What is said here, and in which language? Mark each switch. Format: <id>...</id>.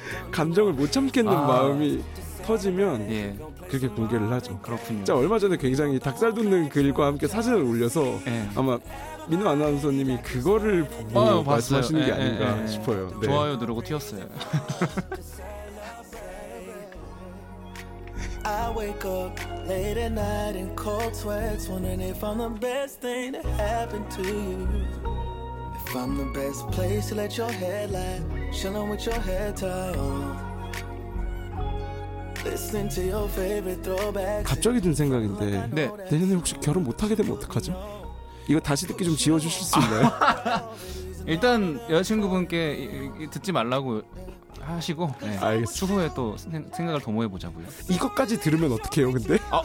<ko>감정을 못 참겠는 마음이 터지면 예. 그렇게 공개를 하죠. 그렇군요. 진짜 얼마 전에 굉장히 닭살 돋는 글과 함께 사진을 올려서 예. 아마 민호 아나운서님이 그거를 보고 말씀하시는 게 아닌가 싶어요. 네. 좋아요 누르고 튀었어요.</ko> <en>I wake up late at night in cold sweats wondering if I'm the best thing to happen to you. If I'm the best place to let your head lie, chilling with your head tied on. Listen to your favorite throwback.</en> <ko>갑자기 든 생각인데 네. 내년에 혹시 결혼 못 하게 되면 어떡하죠? 이거 다시 듣기 좀 지워 주실 수 있나요? 일단 여자친구분께 듣지 말라고 하시고 네. 알겠습니다. 추후에 또 생각을 도모해 보자고요. 이것까지 들으면 어떡해요, 근데?</ko>